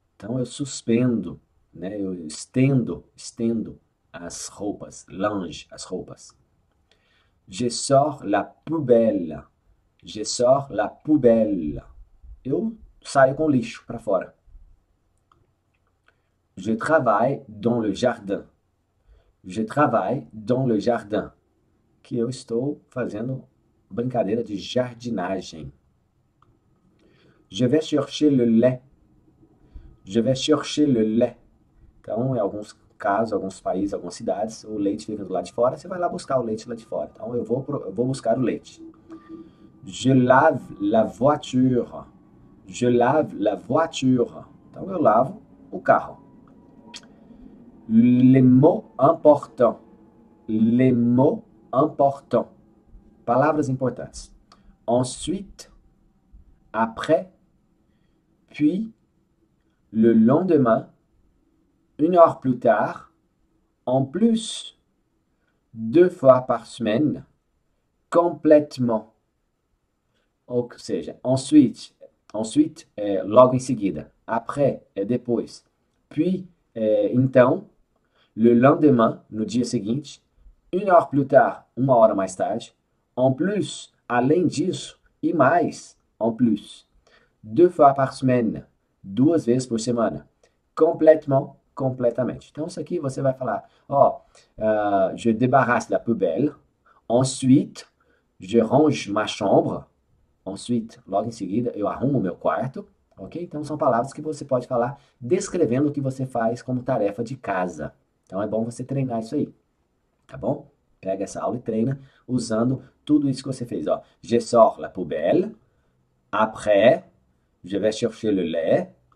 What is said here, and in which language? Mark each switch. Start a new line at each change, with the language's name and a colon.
Portuguese: Então, eu suspendo, né? Eu estendo as roupas.
French: Linge,
Portuguese: as roupas.
French: Je sors la poubelle. Je sors la poubelle.
Portuguese: Eu saio com o lixo para fora.
French: Je travaille dans le jardin. Je travaille dans le jardin.
Portuguese: Que eu estou fazendo brincadeira de jardinagem.
French: Je vais chercher le lait. Je vais chercher le lait.
Portuguese: Então, em alguns casos, alguns países, algumas cidades, o leite fica do lado de fora. Você vai lá buscar o leite lá de fora. Então, eu vou buscar o leite.
French: Je lave la voiture. Je lave la voiture.
Portuguese: Então, eu lavo o carro.
French: Les mots importants. Les mots importants.
Portuguese: Palavras importantes.
French: Ensuite, Après, puis, le lendemain, une heure plus tard, en plus, deux fois par semaine, complètement.
Portuguese: Ensuite, logo em seguida.
French: Après,
Portuguese: depois.
French: Puis,
Portuguese: então,
French: le lendemain,
Portuguese: no dia seguinte,
French: une heure plus tard,
Portuguese: uma hora mais tarde,
French: en plus,
Portuguese: além disso, e mais,
French: en plus, deux fois par semaine,
Portuguese: duas vezes por semana,
French: complètement,
Portuguese: completamente. Então, isso aqui você vai falar,
French: je débarrasse la poubelle, ensuite, je range ma chambre, ensuite,
Portuguese: logo em seguida, eu arrumo meu quarto. Ok? Então são palavras que você pode falar descrevendo o que você faz como tarefa de casa. Então é bom você treinar isso aí. Tá bom? Pega essa aula e treina usando tudo isso que você fez.
French: Ó. Je sors la poubelle. Après, je vais chercher le lait.